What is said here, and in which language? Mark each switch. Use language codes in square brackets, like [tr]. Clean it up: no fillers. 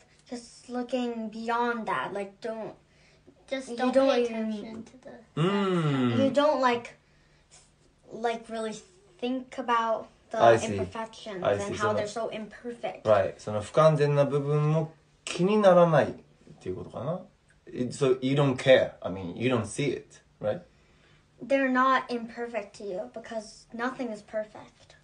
[en] Just looking beyond that, you don't like really think about the imperfections and how they're so imperfect. [ja] Right, その不完全な部分も気にならないっていうことかな? [en] So you don't care, I mean, you don't see it, right? They're not imperfect to you because nothing is perfect.